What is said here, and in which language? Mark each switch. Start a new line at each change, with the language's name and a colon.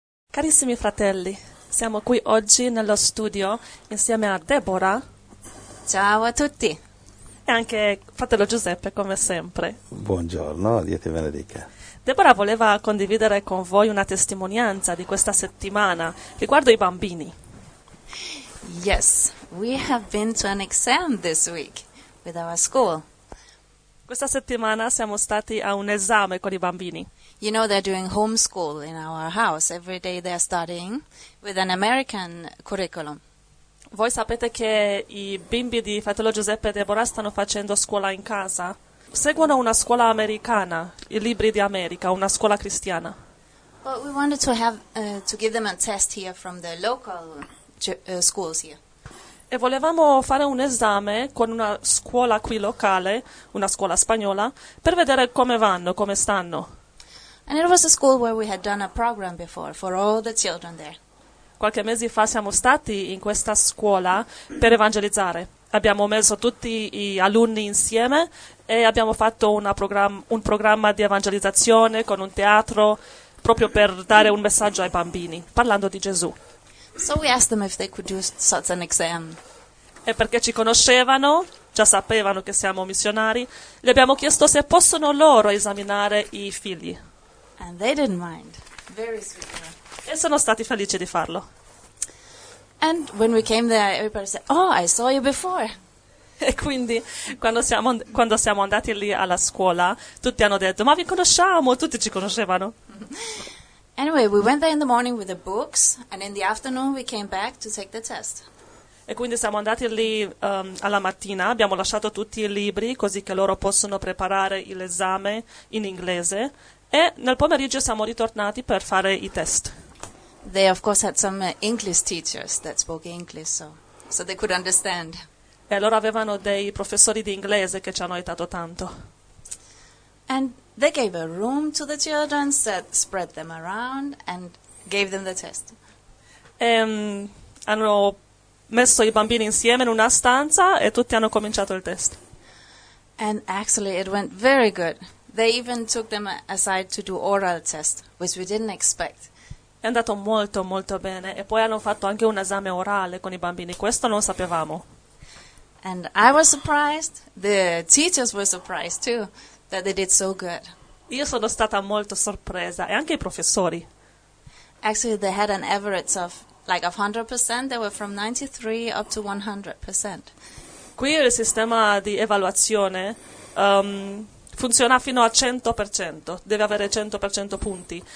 Italian: Carissimi fratelli, siamo qui oggi nello studio insieme a Deborah. Ciao a tutti. E anche fratello Giuseppe, come sempre. Buongiorno, Dio ti benedica. Deborah voleva condividere con voi una testimonianza di questa settimana riguardo i bambini.
English: Yes, we have been to an exam this week with our school.
Italian: Questa settimana siamo stati a un esame con i bambini.
English: You know, they're doing homeschool in our house. Every day they're studying with an American curriculum.
Italian: Voi sapete che i bimbi di fratello Giuseppe e Deborah stanno facendo scuola in casa. Seguono una scuola americana, i libri di America, una scuola cristiana.
English: But we wanted to give them a test here from the local schools here.
Italian: E volevamo fare un esame con una scuola qui locale, una scuola spagnola, per vedere come vanno, come stanno.
English: And it was a school where we had done a program before for all the children there.
Italian: Qualche mese fa siamo stati in questa scuola per evangelizzare. Abbiamo messo tutti gli alunni insieme e abbiamo fatto un programma di evangelizzazione con un teatro proprio per dare un messaggio ai bambini, parlando di Gesù.
English: So we asked them if they could do such an exam.
Italian: E perché ci conoscevano, già sapevano che siamo missionari, gli abbiamo chiesto se possono loro esaminare i figli.
English: And they didn't mind. Very sweet.
Italian: E sono stati felici di farlo.
English: And when we came there, everybody said, "Oh, I saw you before."
Italian: E quindi quando siamo andati lì alla scuola, tutti hanno detto, "Ma vi conosciamo, tutti ci conoscevano."
English: Anyway, we went there in the morning with the books, and in the afternoon we came back to take the test.
Italian: E quindi siamo andati lì alla mattina, abbiamo lasciato tutti i libri così che loro possono preparare l'esame in inglese. E nel pomeriggio siamo ritornati per fare i test.
English: They of course had some English teachers that spoke English, so they could understand.
Italian: E loro avevano dei professori di inglese che ci hanno aiutato tanto.
English: And they gave a room to the children, spread them around and gave them the test. E hanno messo i bambini insieme in una stanza e tutti hanno cominciato il test. And actually it went very good. They even took them aside to do oral test, which we didn't expect.
Italian: È andato molto molto bene e poi hanno fatto anche un esame orale con i bambini. Questo non sapevamo.
English: And I was surprised. The teachers were surprised too that they did so good.
Italian: Io sono stata molto sorpresa e anche i professori.
English: Actually, they had an average of like 100%. They were from 93 up to 100%.
Italian: Qui il sistema di evaluazione funziona fino a 100%, deve avere 100% punti.